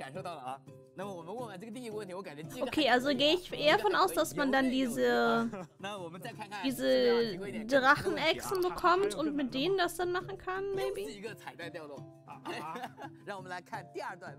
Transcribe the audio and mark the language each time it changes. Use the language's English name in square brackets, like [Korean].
[Chinese] 他应该是伙伴才对。对，应该是伙伴。这个我感觉我已经感受到了啊。那么我们问完这个第一个问题，我感觉。 [German] Okay, also gehe ich eher von aus, dass man dann diese Drachenechsen bekommt und mit denen das dann machen kann, maybe. [Chinese] 又是一个彩蛋掉落。让我们来看第二段